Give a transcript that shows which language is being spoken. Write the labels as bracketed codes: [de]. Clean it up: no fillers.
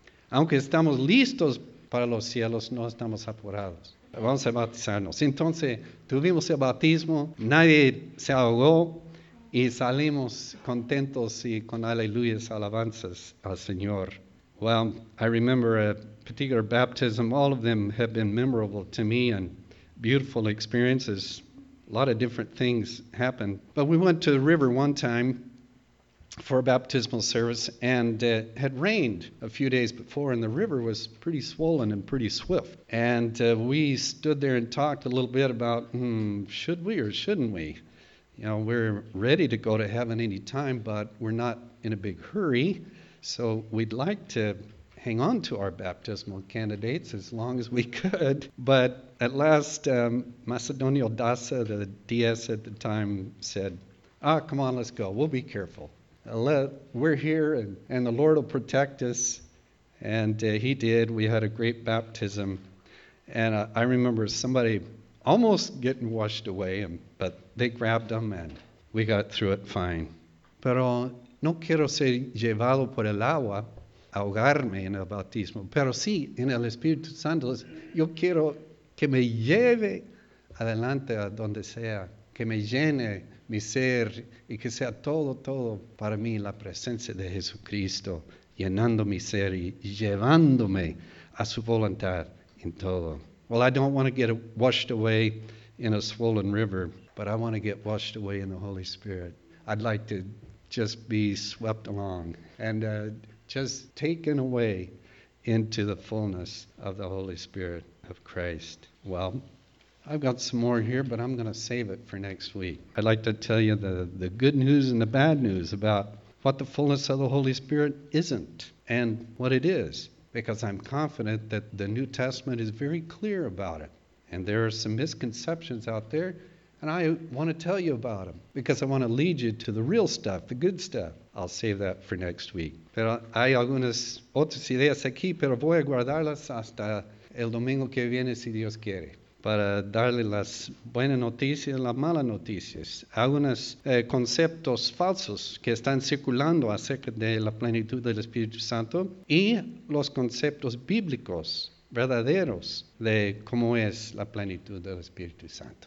[es] Aunque estamos listos para los cielos, no estamos apurados. Vamos a bautizarnos. Entonces, tuvimos el bautismo, nadie se ahogó y salimos contentos y con aleluyas, alabanzas al Señor. [en] Well, I remember a particular baptism. All of them have been memorable to me and beautiful experiences. A lot of different things happened. But we went to the river one time for a baptismal service, and it had rained a few days before, and the river was pretty swollen and pretty swift. And we stood there and talked a little bit about, should we or shouldn't we? You know, we're ready to go to heaven any time, but we're not in a big hurry, so we'd like to hang on to our baptismal candidates as long as we could. But at last, Macedonio Dasa, the DS at the time, said, ah, come on, let's go. We'll be careful. We're here, and the Lord will protect us. And he did. We had a great baptism. And I remember somebody almost getting washed away, but they grabbed him, and we got through it fine. [es] Pero no quiero ser llevado por el agua, ahogarme en el bautismo. Pero sí, en el Espíritu Santo, yo quiero que me lleve adelante a donde sea, que me llene mi ser y que sea todo para mí la presencia de Jesucristo, llenando mi ser y llevándome a su voluntad en todo. [en] Well, I don't want to get washed away in a swollen river, but I want to get washed away in the Holy Spirit. I'd like to just be swept along and just taken away into the fullness of the Holy Spirit of Christ. Well, I've got some more here, but I'm going to save it for next week. I'd like to tell you the good news and the bad news about what the fullness of the Holy Spirit isn't and what it is, because I'm confident that the New Testament is very clear about it. And there are some misconceptions out there, and I want to tell you about them because I want to lead you to the real stuff, the good stuff. I'll save that for next week. [es] Pero hay algunas otras ideas aquí, pero voy a guardarlas hasta el domingo que viene, si Dios quiere, para darle las buenas noticias y las malas noticias. Algunos conceptos falsos que están circulando acerca de la plenitud del Espíritu Santo y los conceptos bíblicos verdaderos de cómo es la plenitud del Espíritu Santo.